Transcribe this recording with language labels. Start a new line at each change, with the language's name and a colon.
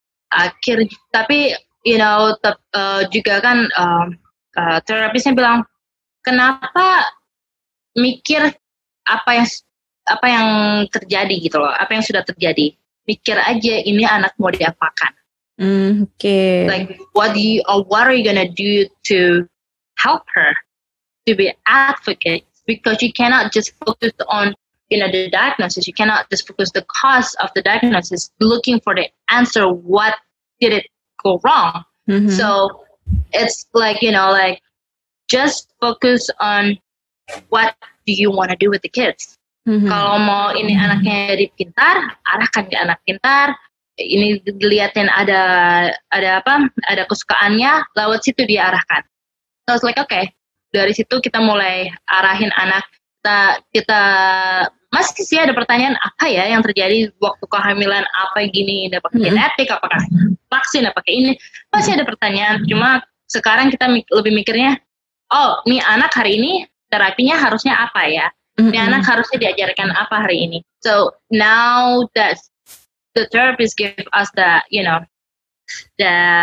Indonesian: Akhir tapi
English: you know
Indonesian: juga kan terapisnya bilang kenapa mikir apa yang terjadi gitu loh, apa yang sudah terjadi, mikir aja ini anak mau diapakan. Oke.
English: Okay. Like what are you gonna do to help her to be advocate, because you cannot just focus on, you know, the diagnosis, you cannot just focus the cause of the diagnosis, looking for the answer, what did it go wrong? Mm-hmm. So it's like, you know, like just focus on what do you want to do with the kids. Mm-hmm.
Indonesian: Kalau mau ini anaknya jadi pintar, arahkan ke anak pintar, ini dilihatin ada kesukaannya, lewat situ dia arahkan.
English: So it's like okay,
Indonesian: dari situ kita mulai arahin anak. Kita masih sih ada pertanyaan apa ya yang terjadi waktu kehamilan, apa gini, apakah genetik, apakah vaksin, apakah ini, masih ada pertanyaan. Cuma sekarang kita lebih mikirnya, oh ini anak hari ini terapinya harusnya apa ya, ini anak harusnya diajarkan apa hari ini.
English: So now that the therapist give us the, you know, the